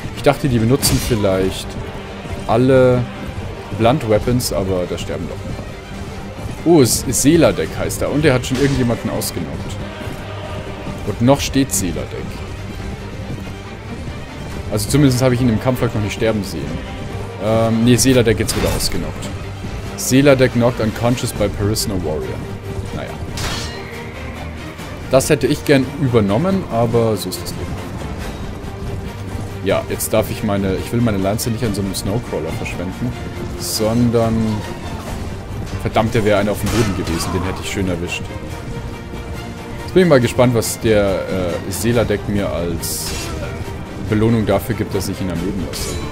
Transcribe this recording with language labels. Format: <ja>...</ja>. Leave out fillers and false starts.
<de>Ich dachte, die benutzen vielleicht alle Blunt Weapons, aber da sterben doch ein paar. Oh, es ist Seeladeck heißt er. Und er hat schon irgendjemanden ausgenockt. Und noch steht Seeladeck. Also zumindest habe ich ihn im Kampf noch nicht sterben sehen. Nee, Seeladeck jetzt wieder ausgenockt.</de> <en>Seeladeck knocked unconscious by Parisna Warrior.</en> <de>Naja. Das hätte ich gern übernommen, aber so ist das Leben. Ja, jetzt darf ich meine... Ich will meine Lanze nicht an so einem Snowcrawler verschwenden, sondern... Verdammt, der wäre einer auf dem Boden gewesen. Den hätte ich schön erwischt. Jetzt bin ich mal gespannt, was der Seeladeck mir als Belohnung dafür gibt, dass ich ihn am Leben lasse.</de>